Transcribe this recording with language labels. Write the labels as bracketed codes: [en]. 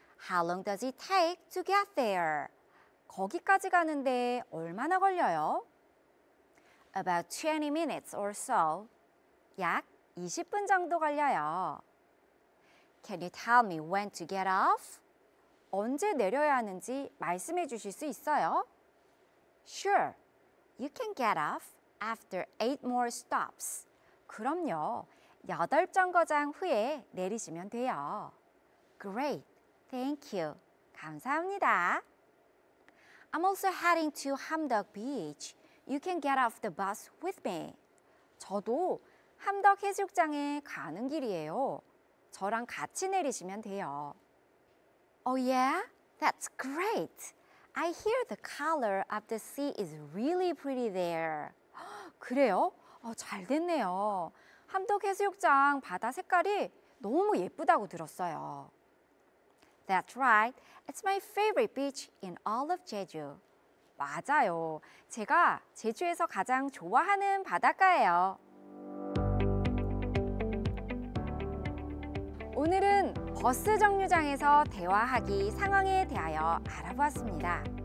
[en] How long does it take to get there? [ko] 거기까지 가는데 얼마나 걸려요? [en] About 20 minutes or so. [ko] 약 20분 정도 걸려요. [en] Can you tell me when to get off? [ko] 언제 내려야 하는지 말씀해 주실 수 있어요? [en] Sure, you can get off after 8 more stops. [ko] 그럼요. 8 정거장 후에 내리시면 돼요. [en] Great, thank you. [ko] 감사합니다. [en] I'm also heading to Hamdok Beach. You can get off the bus with me. [ko] 저도 함덕 해수욕장에 가는 길이에요. 저랑 같이 내리시면 돼요. [en] Oh yeah? That's great. I hear the color of the sea is really pretty there. [ko] 그래요? 잘 됐네요. 함덕 해수욕장 바다 색깔이 너무 예쁘다고 들었어요. [en] That's right. It's my favorite beach in all of Jeju. [ko] 맞아요. 제가 제주에서 가장 좋아하는 바닷가예요. 오늘은 버스 정류장에서 대화하기 상황에 대하여 알아보았습니다.